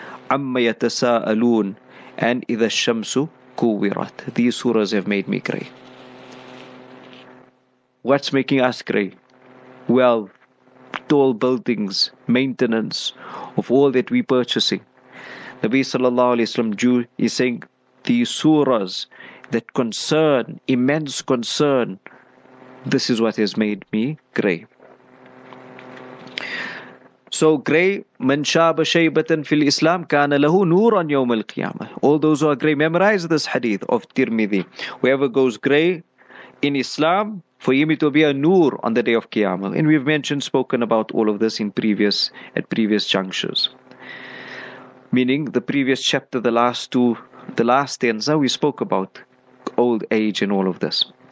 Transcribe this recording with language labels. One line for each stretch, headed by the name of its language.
Arabic: عَمَّ يَتَسَاءَلُونَ and إِذَا الشَّمْسُ كُوِّرَتْ.
English: These surahs have made me grey. What's making us grey? Well, tall buildings, maintenance of all that we're purchasing. Nabi sallallahu alayhi wa sallam is saying these surahs, that concern, immense concern, this is what has made me grey. So grey,
Arabic: من شاب شيبة في الإسلام كان له نور يوم القيامة.
English: All those who are grey, memorize this hadith of Tirmidhi. Whoever goes grey in Islam, for him it will be a nur on the day of Qiyamah. And we've mentioned, spoken about all of this at previous junctures. Meaning the previous chapter, the last tensa, we spoke about old age and all of this.